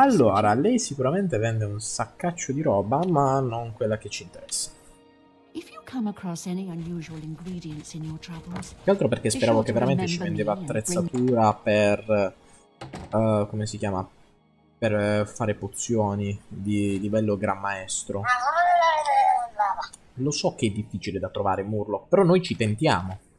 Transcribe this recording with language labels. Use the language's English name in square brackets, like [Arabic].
[Italian] Allora, lei sicuramente vende un saccaccio di roba, ma non quella che ci interessa. [English] If you come across any unusual ingredients in your travels. [Italian] Che altro perché speravo che veramente ci vendeva attrezzatura per come si chiama? Per fare pozioni di livello gran maestro. Lo so che è difficile da trovare, Murlo, però noi ci tentiamo.